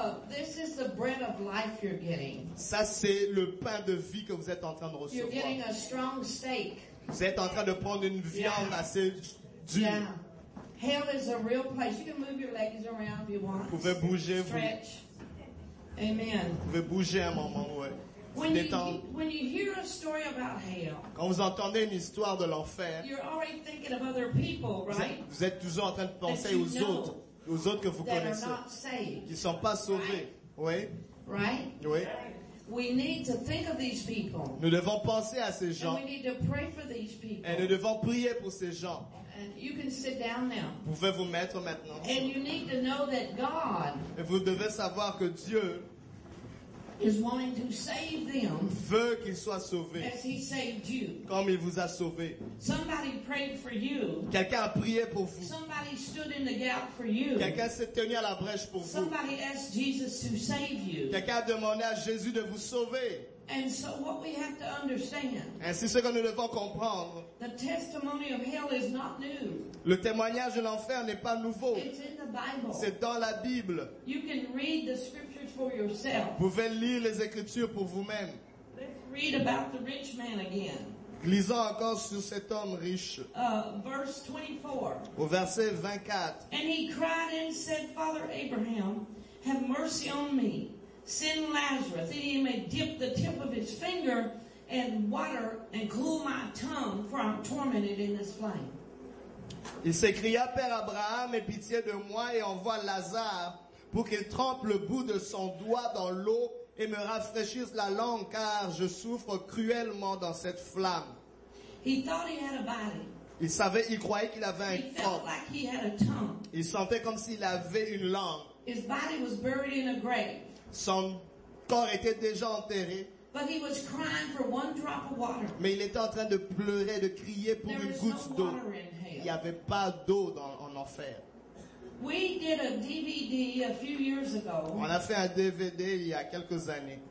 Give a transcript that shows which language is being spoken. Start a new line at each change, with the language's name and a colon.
English: This is the bread of life you're getting.
French: Ça, c'est le pain de vie que vous êtes en train de recevoir.
English: You're getting a strong steak.
French: Vous êtes en train de prendre une viande assez dure.
English: Yeah. Hell is a real place. You can move your legs around if you want.
French: Vous pouvez bouger.
English: Stretch.
French: Vous.
English: Amen.
French: Vous pouvez bouger un moment, ouais.
English: When you hear a story about hell,
French: quand vous entendez une histoire de l'enfer,
English: you're already thinking of other people, right?
French: Vous êtes toujours en train de penser aux autres, que vous connaissez, qui ne sont pas sauvés, oui.
English: Right?
French: Oui.
English: We need to think of these people.
French: Nous devons penser à ces gens.
English: And we need to pray for these people.
French: Et nous devons prier pour ces gens.
English: And you can sit down now.
French: Vous pouvez vous mettre maintenant.
English: And you need to know that God.
French: Et vous devez savoir que Dieu.
English: Is wanting to save them.
French: Veut qu'ils soient sauvés.
English: As he saved you.
French: Comme il vous a sauvé.
English: Somebody prayed for you.
French: Quelqu'un a prié pour vous.
English: Somebody stood in the gap for you.
French: Quelqu'un s'est tenu à la brèche pour
English: Somebody
French: vous.
English: Somebody asked Jesus to save you.
French: Quelqu'un a demandé à Jésus de vous sauver.
English: And so what we have to understand.
French: Ainsi, ce que nous devons comprendre.
English: The testimony of hell is not new.
French: Le témoignage de l'enfer n'est pas nouveau.
English: It's in the Bible.
French: C'est dans la Bible.
English: You can read the scriptures for yourself.
French: Vous pouvez lire les écritures pour vous-même.
English: Let's read about the rich man again.
French: Lisons encore sur cet homme riche.
English: Verse 24.
French: Au verset 24.
English: And he cried and said, Father Abraham, have mercy on me. Send Lazarus that he may dip the tip of his finger in water and cool my tongue, for I'm tormented in this flame.
French: Il s'écria, Père Abraham, aie pitié de moi et envoie Lazare pour qu'il trempe le bout de son doigt dans l'eau et me rafraîchisse la langue, car je souffre cruellement dans cette flamme.
English: He thought he had a body.
French: Il savait, il croyait qu'il avait un corps.
English: He felt like he had a tongue.
French: Il sentait comme s'il avait une langue.
English: His body was buried in a grave.
French: Son corps était déjà enterré.
English: But he was crying for one drop of water.
French: Mais il était en train de pleurer, de crier pour
English: There
French: une goutte d'eau.
English: No water in hell.
French: Il n'y avait pas d'eau en enfer.
English: We did a DVD a few years ago.
French: On a fait un DVD il y a quelques années.